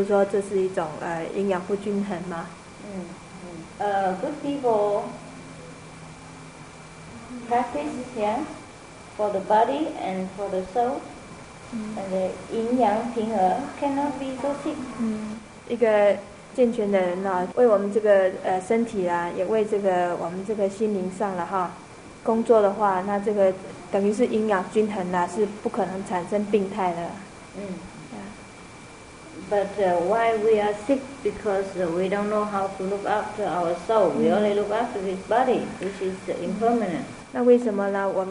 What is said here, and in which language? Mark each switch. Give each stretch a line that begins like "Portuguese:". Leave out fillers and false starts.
English: unbalanced,
Chinese: 营养不平衡。那个老板娘也谈到说，她那个有病啊，这样子身体很多的不舒服嘛。那师父说这是一种营养不均衡吗？
English: Good people practice for the body and for the soul, and the 阴阳平衡 cannot be so sick.
Chinese: 一个健全的人呢，为我们这个身体啊，也为这个我们这个心灵上了哈，工作的话，那这个等于是阴阳均衡啦，是不可能产生病态的。
English: But why we are sick? Because we don't know how to look after our soul. We only look after this body, which is impermanent.